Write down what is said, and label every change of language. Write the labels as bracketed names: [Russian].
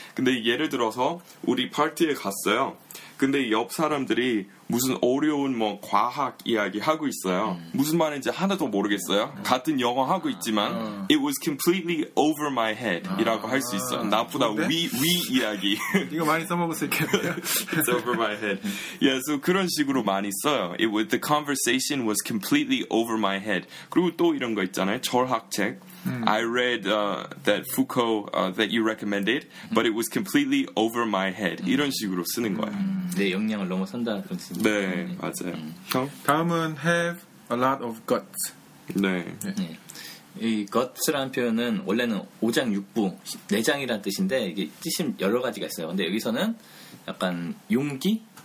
[Korean] 근데 예를 들어서 우리 파티에 갔어요. 근데 옆 사람들이 무슨 어려운 뭐 과학 이야기 하고 있어요. 무슨 말인지 하나도 모르겠어요. 같은 영어 하고 있지만 [English] it was completely over my head [Korean] 이라고 할 수 있어요. 나보다 위 이야기. 이거 많이 써먹었을 텐데요. [English] It's over my head. Yeah, so [Korean] 그런 식으로 많이 써요. [English] It was, the conversation was completely over my head. [Korean] 그리고 또 이런 거 있잖아요. 철학책. [English] I read that Foucault that you recommended, but it was completely over my head. [Korean] 이런 식으로 쓰는 거예요. 내 역량을 넘어선다. 그런 식으로. 네, 맞아요. 다음은 [English] have a lot of guts. [Korean] 네. 이 guts라는 표현은 원래는 오장육부, 내장이라는 뜻인데 이게 뜻이 여러 가지가 있어요. 근데 여기서는 약간 용기?